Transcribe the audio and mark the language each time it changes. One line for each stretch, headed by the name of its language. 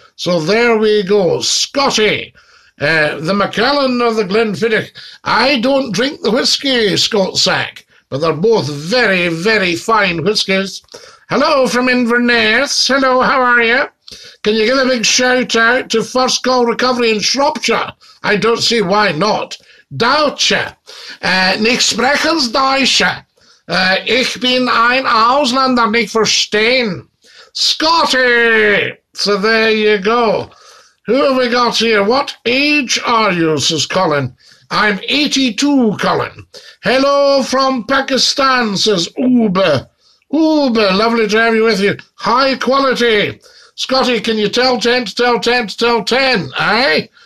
English: So there we go. Scotty, the Macallan of the Glenfiddich. I don't drink the whiskey, Scott Sack, but they're both very, very fine whiskies. Hello from Inverness. Hello, how are you? Can you give a big shout out to First Call Recovery in Shropshire? I don't see why not. Deutsche.
German: Nicht sprechen Deutsch. Ich bin ein Ausländer, nicht verstehen.
English: Scotty! So there you go. Who have we got here? What age are you, says Colin? I'm 82, Colin. Hello from Pakistan, says Uber. Uber, lovely to have you with you. High quality. Scotty, can you tell 10 to tell 10 to tell 10, eh?